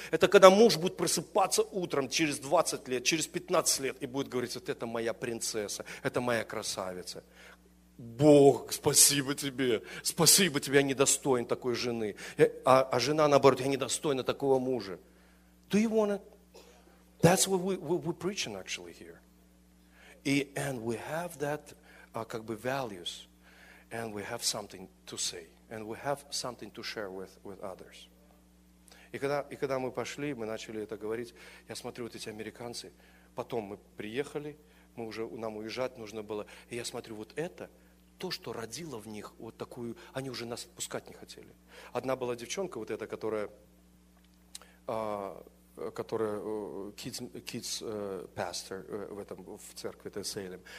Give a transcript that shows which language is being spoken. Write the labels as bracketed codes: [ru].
[ru] Это когда муж будет просыпаться утром через 20 лет, через 15 лет и будет говорить, вот это моя принцесса, это моя красавица. Бог, спасибо тебе, я недостоин такой жены. А жена наоборот, я недостойна такого мужа. [en] Do you want it? That's what we're preaching actually here. And we have that [ru] как бы [en] values, and we have something to say, and we have something to share with others. [ru] И когда мы пошли, мы начали это говорить, я смотрю, вот эти американцы, потом мы приехали, мы уже, нам уезжать нужно было, и я смотрю, вот это, то, что родило в них вот такую, они уже нас отпускать не хотели. Одна была девчонка вот эта, которая [en] kids pastor [ru] в этом в церкви, это Сейлем.